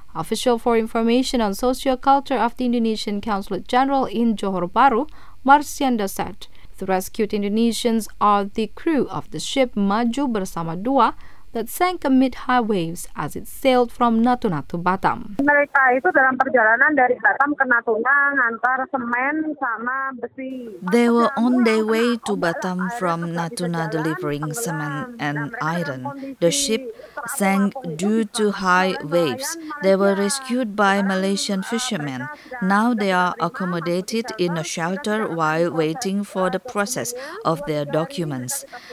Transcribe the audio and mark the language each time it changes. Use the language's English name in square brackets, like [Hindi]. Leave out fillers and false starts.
[English] Official for Information on Socioculture of the Indonesian Consulate General in Johor Bahru, Marcianda said, the rescued Indonesians are the crew of the ship Maju Bersama Dua that sank amid high waves as it sailed from Natuna to Batam. [Indonesian] Mereka itu dalam perjalanan dari Batam ke Natuna ngantar semen sama besi. [English] They were on their way to Batam from Natuna delivering semen and iron. The ship sank due to high waves. They were rescued by Malaysian fishermen. Now they are accommodated in a shelter while waiting for the process of their documents.